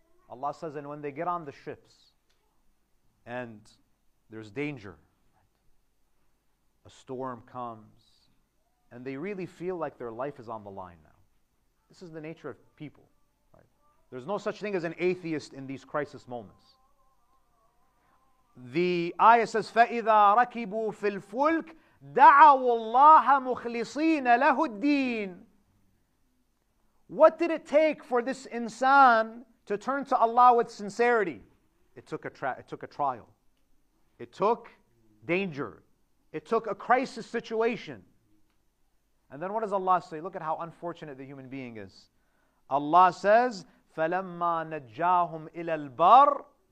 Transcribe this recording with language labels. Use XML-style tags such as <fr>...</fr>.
<en>Allah says, and when they get on the ships, and there's danger, a storm comes, and they really feel like their life is on the line now. This is the nature of people. There's no such thing as an atheist in these crisis moments. The ayah says,</en> <ar>فَإِذَا رَكِبُوا فِي الْفُلْكِ دَعَوُوا اللَّهَ مُخْلِصِينَ لَهُ الدِّينَ.</ar> <en>What did it take for this insan to turn to Allah with sincerity? It took a trial. It took danger. It took a crisis situation. And then what does Allah say? Look at how unfortunate the human being is. Allah says,</en> <ar>فَلَمَّا نَجَّاهُمْ إِلَى الْبَرِّ.</ar>